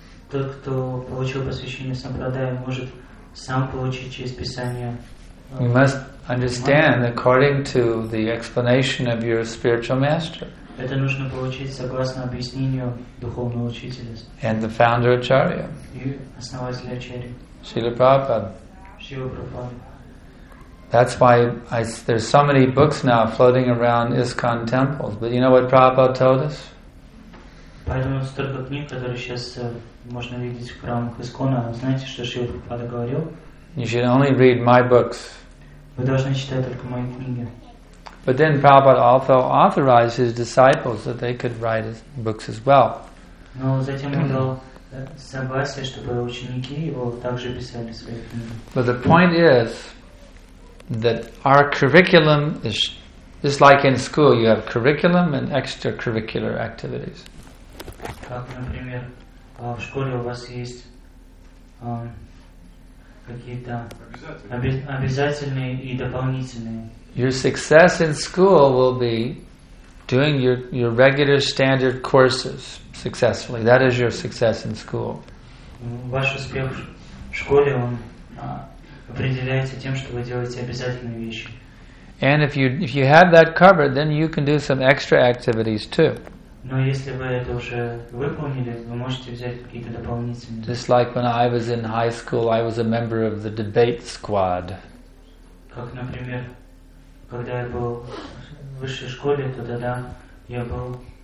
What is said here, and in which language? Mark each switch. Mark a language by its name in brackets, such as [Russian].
[Russian] тот, кто получил посвящение сампрадая, может сам получить через Писание. [English] You must understand according to the explanation of your spiritual master. [Russian] Это нужно получить согласно объяснению духовного учителя. [English] And the founder Acharya. [Russian] И основатель Ачарьи. Шрила Прабхупада. Шрила Прабхупада. [English] That's why there's so many books now floating around ISKCON temples. But you know what Prabhupada told us? [Russian] Поэтому столько книг, которые сейчас можно видеть в храмах ИСККОНа, знаете, что Шрила Прабхупада говорил? [English] You should only read my books. [Russian] Вы должны читать только мои книги. [English] But then Prabhupada also authorized his disciples that they could write his books as well. [Russian] Но затем он дал согласие, чтобы ученики его также писали свои книги. [English] But the point is that our curriculum is just like in school, you have curriculum and extracurricular activities. [Russian] Как, например, в школе у вас есть какие-то обязательные и дополнительные. [English] Your success in school will be doing your regular standard courses successfully. That is your success in school. [Russian] Ваш успех в школе, он определяется тем, что вы делаете обязательные вещи. [English] And if you have that covered, then you can do some extra activities too. [Russian] Но если вы это уже выполнили, вы можете взять какие-то дополнительные. [English] Just like when I was in high school, I was a member of the debate squad. [Russian] Как, например, когда я был в высшей школе, тогда да, я был.